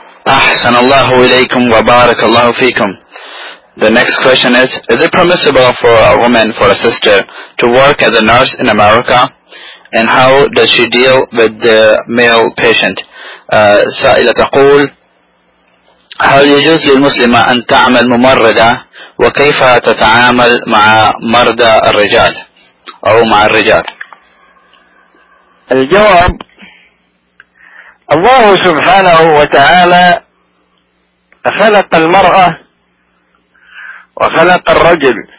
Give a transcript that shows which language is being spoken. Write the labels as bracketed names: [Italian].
[Arabic] أحسن الله إليكم وبارك الله فيكم. [English] The next question is it permissible for a woman, for a sister, to work as a nurse in America? And how does she deal with the male patient? [Arabic] سائلة تقول هل يجوز للمسلمة أن تعمل ممرضة وكيف تتعامل مع مرضى الرجال أو مع الرجال؟ الجواب الله سبحانه وتعالى خلق المرأة وخلق الرجل.